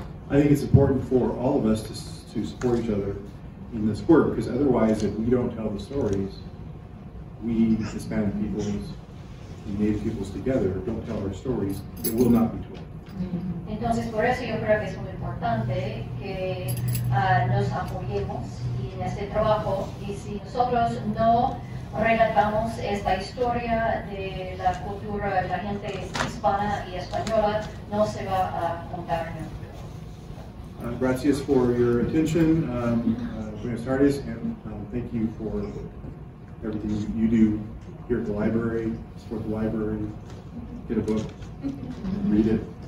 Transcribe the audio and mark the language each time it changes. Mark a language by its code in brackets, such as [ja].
[en] I think it's important for all of us to support each other in this work, because otherwise, if we don't tell the stories, we, Hispanic peoples and Native peoples together, don't tell our stories, it will not be told. Mm-hmm. [es] Entonces, por eso yo creo que es muy importante que nos apoyemos en este trabajo, y si nosotros no relatamos esta historia de la cultura de la gente hispana y española, no se va a contar. [en] Gracias for your attention, Buenos Aires, and thank you for everything you do here at the library, support the library, get a book, and read it.